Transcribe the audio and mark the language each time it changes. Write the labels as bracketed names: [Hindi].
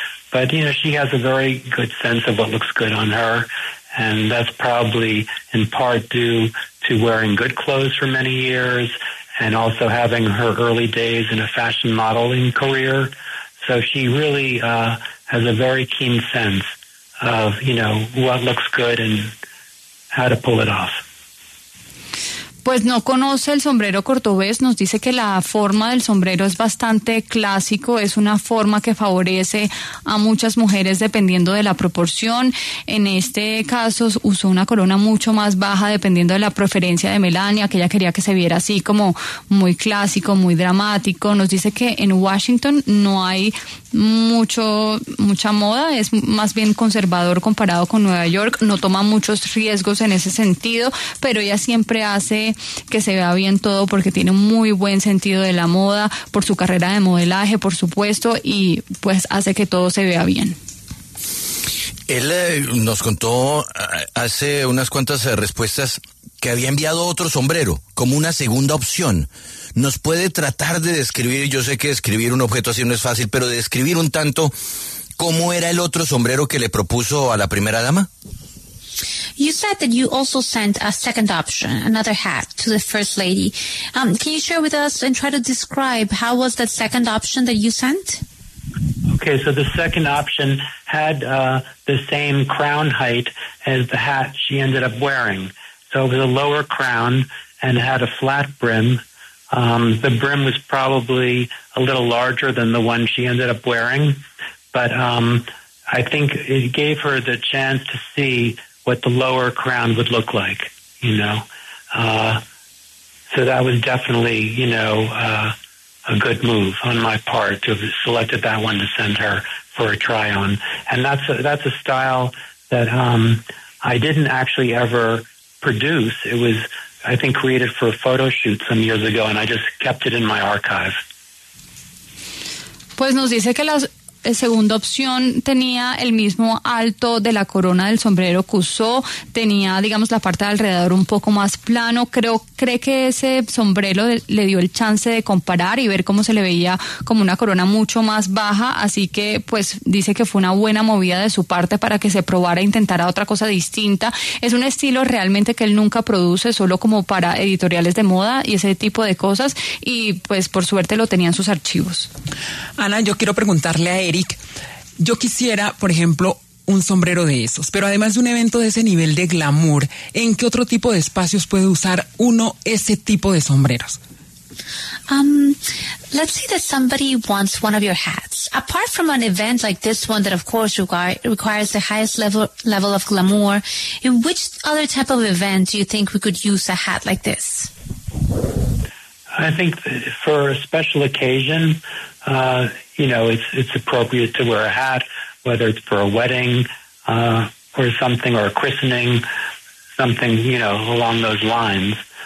[English] But, you know, she has a very good sense of what looks good on her, and that's probably in part due to wearing good clothes for many years and also having her early days in a fashion modeling career. So she really has a very keen sense of, you know, what looks good and how to pull it off. [Spanish] Pues no conoce el sombrero cordobés, nos dice que la forma del sombrero es bastante clásico, es una forma que favorece a muchas mujeres dependiendo de la proporción. En este caso usó una corona mucho más baja dependiendo de la preferencia de Melania, que ella quería que se viera así como muy clásico, muy dramático. Nos dice que en Washington no hay mucha moda, es más bien conservador comparado con Nueva York, no toma muchos riesgos en ese sentido, pero ella siempre hace que se vea bien todo porque tiene un muy buen sentido de la moda, por su carrera de modelaje, por supuesto, y pues hace que todo se vea bien. Él nos contó hace unas cuantas respuestas que había enviado otro sombrero como una segunda opción. ¿Nos puede tratar de describir, yo sé que describir un objeto así no es fácil, pero de describir un tanto cómo era el otro sombrero que le propuso a la primera dama? [English] You said that you also sent a second option, another hat, to the first lady. Can you share with us and try to describe how was that second option that you sent? Okay, so the second option had the same crown height as the hat she ended up wearing. So it was a lower crown and had a flat brim. The brim was probably a little larger than the one she ended up wearing, but I think it gave her the chance to see what the lower crown would look like, you know. So that was definitely, you know, a good move on my part to have selected that one to send her for a try on. And that's a style that I didn't actually ever produce. It was, I think, created for a photo shoot some years ago, and I just kept it in my archive. [Spanish] Pues nos dice que las segunda opción tenía el mismo alto de la corona del sombrero que usó, tenía, digamos, la parte de alrededor un poco más plano. Cree que ese sombrero le dio el chance de comparar y ver cómo se le veía como una corona mucho más baja, así que pues dice que fue una buena movida de su parte para que se probara e intentara otra cosa distinta. Es un estilo realmente que él nunca produce, solo como para editoriales de moda y ese tipo de cosas, y pues por suerte lo tenía en sus archivos. Ana, yo quiero preguntarle a Eric, yo quisiera, por ejemplo, un sombrero de esos, pero además de un evento de ese nivel de glamour, ¿en qué otro tipo de espacios puede usar uno ese tipo de sombreros? [English] Let's say that somebody wants one of your hats. Apart from an event like this one that, of course, requires the highest level of glamour, in which other type of event do you think we could use a hat like this? I think for a special occasion, you know, it's appropriate to wear a hat, whether it's for a wedding or something, or a christening, something, you know, along those lines.